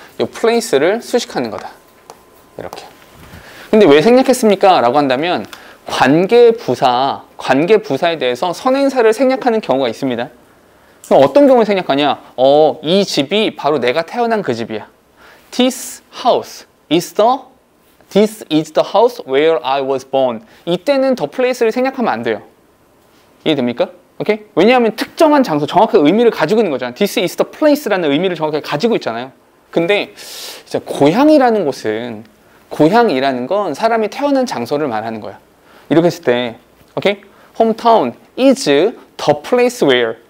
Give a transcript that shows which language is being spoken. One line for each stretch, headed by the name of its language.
Korean: 이 place를 수식하는 거다. 이렇게. 근데 왜 생략했습니까? 라고 한다면 관계 부사에 대해서 선행사를 생략하는 경우가 있습니다. 그럼 어떤 경우에 생략하냐? 이 집이 바로 내가 태어난 그 집이야.
English: This is the house where I was born.
Korean: 이때는 the place를 생략하면 안 돼요. 이해됩니까? 오케이? 왜냐하면 특정한 장소, 정확한 의미를 가지고 있는 거잖아.
English: This is the place
Korean: 라는 의미를 정확하게 가지고 있잖아요. 근데 진짜 고향이라는 건 사람이 태어난 장소를 말하는 거야. 이렇게 했을 때, 오케이?
English: Hometown is the place where.